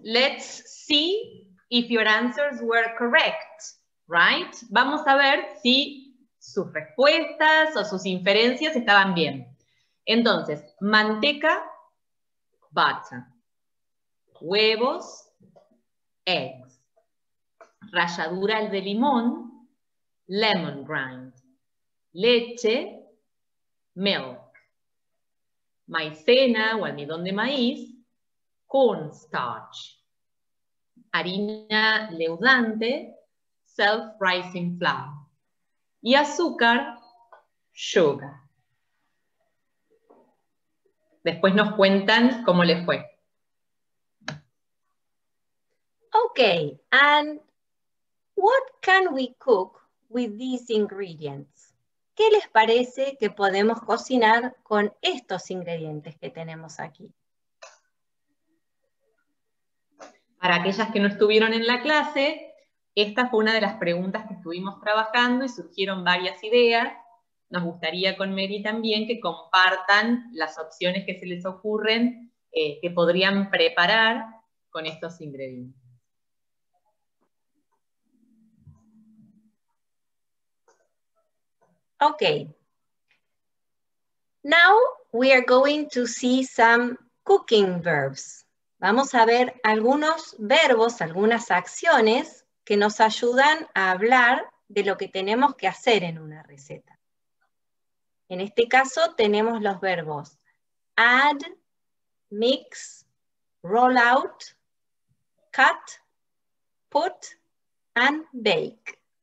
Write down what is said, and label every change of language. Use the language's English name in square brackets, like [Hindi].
[English] Let's see if your answers were correct, right? [Spanish] Vamos a ver si sus respuestas o sus inferencias estaban bien. Entonces, manteca, [English] butter. [Spanish] Huevos, [English] eggs. [Spanish] Ralladura de limón, [English] lemon rind. [Spanish] Leche, [English] milk. [Spanish] Maicena o almidón de maíz, [English] cornstarch. [Spanish] Harina leudante, [English] self-rising flour. [Spanish] Y azúcar, [English] sugar. [Spanish] Después nos cuentan cómo les fue. [English] Okay, and what can we cook with these ingredients? [Spanish] ¿Qué les parece que podemos cocinar con estos ingredientes que tenemos aquí? Para aquellas que no estuvieron en la clase, esta fue una de las preguntas que estuvimos trabajando y surgieron varias ideas. Nos gustaría con Mary también que compartan las opciones que se les ocurren que podrían preparar con estos ingredientes. [English] Okay. Now we are going to see some cooking verbs. [Spanish] Vamos a ver algunos verbos, algunas acciones que nos ayudan a hablar de lo que tenemos que hacer en una receta. En este caso tenemos los verbos [English] add, mix, roll out, cut, put, and bake.